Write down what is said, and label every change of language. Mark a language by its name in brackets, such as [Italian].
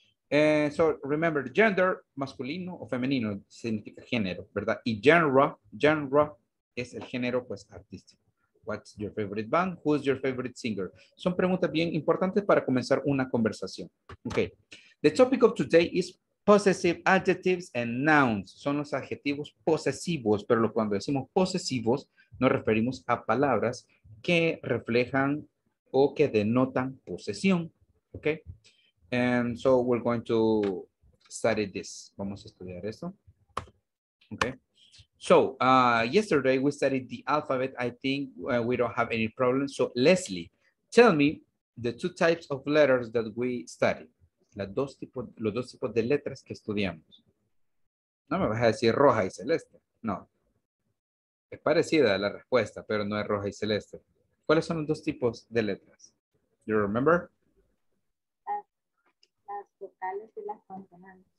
[English] So remember, [Spanish] gender, masculino o femenino, significa género, ¿verdad? Y genre es el género, pues, artístico. [English] What's your favorite band? Who's your favorite singer? [Spanish] Son preguntas bien importantes para comenzar una conversación. [English] Okay. The topic of today is possessive adjectives and nouns. [Spanish] Son los adjetivos posesivos, pero cuando decimos posesivos, nos referimos a palabras que reflejan o que denotan posesión. [English] Okay. And so we're going to study this. [Spanish] Vamos a estudiar esto. [English] Okay. So, yesterday we studied the alphabet. I think we don't have any problems. So, Leslie, tell me the two types of letters that we studied. [Spanish] Los dos tipos de letras que estudiamos. No me vas a decir roja y celeste. No. Es parecida a la respuesta, pero no es roja y celeste. ¿Cuáles son los dos tipos de letras? [English] You remember? [Spanish] Las vocales y las consonantes.